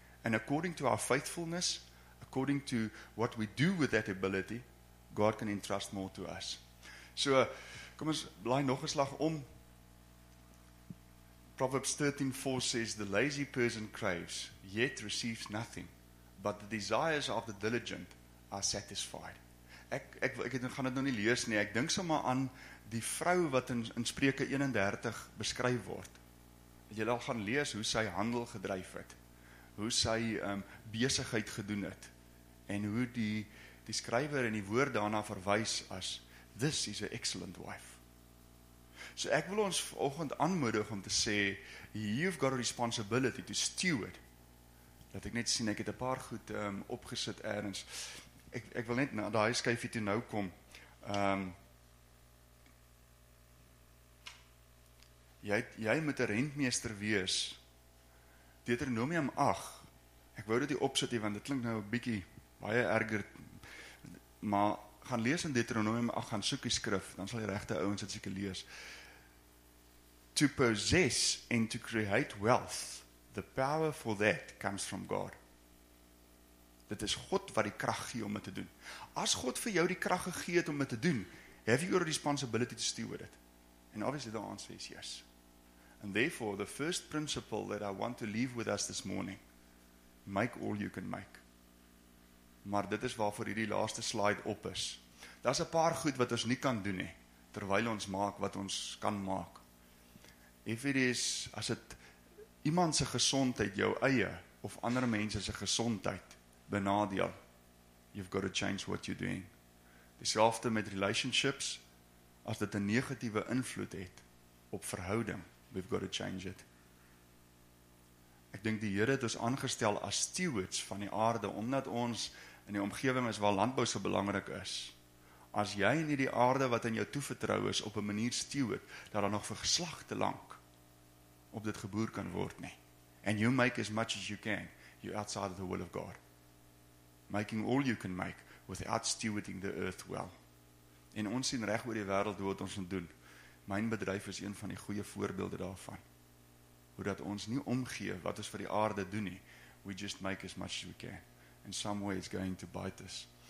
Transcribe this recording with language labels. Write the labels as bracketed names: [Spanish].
[English] And according to our faithfulness, according to what we do with that ability, God can entrust more to us. [Afrikaans] So, kom ons blaai nog 'n slag om. [English] Proverbs 13:4 says, the lazy person craves, yet receives nothing, but the desires of the diligent are satisfied. [Afrikaans] Ek gaan dit nou nie lees nie, ek dink sommer aan die vrou wat in Spreuke 31 beskryf word. Jy al gaan lees hoe sy handel gedryf het, hoe sy besigheid gedoen het, en hoe die skrywer en die woord daarna verwys as, [English] this is an excellent wife. [Afrikaans] So ek wil ons vanoggend aanmoedig om te sê, [English] you've got a responsibility to steward. [Afrikaans] Dat ek net sien, ek het 'n paar goed opgesit ergens. Ek wil net na die skyfie toe nou kom. Jy moet 'n rentmeester wees. Deuteronomium 8, ek wou dit hier opsit, want dit klink nou 'n bietjie baie erger, maar gaan lees in Deuteronomium 8, gaan soek die skrif, dan sal die regte ouens dit seker lees. [English] To possess and to create wealth, the power for that comes from God. [Afrikaans] Dit is God wat die krag gee om dit te doen. As God vir jou die krag gegee het om dit te doen, [English] have you a responsibility to steward it? And obviously the answer is yes. And therefore, the first principle that I want to leave with us this morning, make all you can make. [Afrikaans] Maar dit is waarvoor hierdie laaste slide op is. Daar's 'n paar goed wat ons nie kan doen nie, terwyl ons maak wat ons kan maak. [English] If it is, [Afrikaans] as het iemand se gesondheid, jou eie, of ander mense se gesondheid, benadeel, [English] you've got to change what you're doing. [Afrikaans] Dieselfde met relationships, as dit 'n negatiewe invloed het op verhouding, [English] we've got to change it. [Afrikaans] Ek dink die Here het ons aangestel as stewards van die aarde, omdat ons in die omgewing is waar landbou so belangrik is. As jy nie die aarde wat aan jou toevertrou is op 'n manier steward, dat daar nog vir geslagte lank op dit geboer kan word nie. [English] And you make as much as you can, you're outside of the will of God. Making all you can make without stewarding the earth well. [Afrikaans] En ons sien reg oor die wêreld hoe wat ons moet doen. Myn bedryf is een van die goeie voorbeelde daarvan. Hoe dat ons nie omgee wat ons vir die aarde doen nie. [English] We just make as much as we can. In some way it's going to bite us.